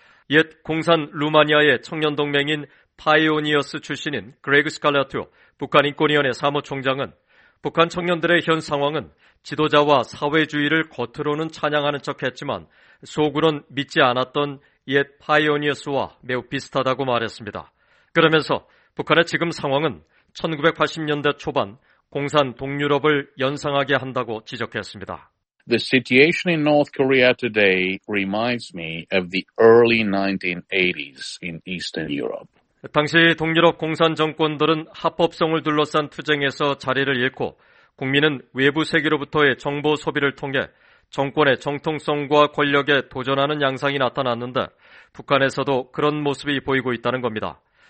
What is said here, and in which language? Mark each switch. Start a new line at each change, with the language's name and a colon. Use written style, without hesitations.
Korean: 옛 공산 루마니아의 청년 동맹인 파이오니어스 출신인 그레그 스칼라투 북한인권위원회 사무총장은 북한 청년들의 현 상황은 지도자와 사회주의를 겉으로는 찬양하는 척했지만 속으론 믿지 않았던 옛 파이오니어스와 매우 비슷하다고 말했습니다. 그러면서 북한의 지금 상황은 1980년대 초반 공산 동유럽을 연상하게 한다고 지적했습니다.
English: The situation in North Korea today reminds me of the early 1980s in Eastern Europe.
Korean: 당시 동유럽 공산 정권들은 합법성을 둘러싼 투쟁에서 자리를 잃고 국민은 외부 세계로부터의 정보 소비를 통해 정권의 정통성과 권력에 도전하는 양상이 나타났는데 북한에서도 그런 모습이 보이고 있다는 겁니다.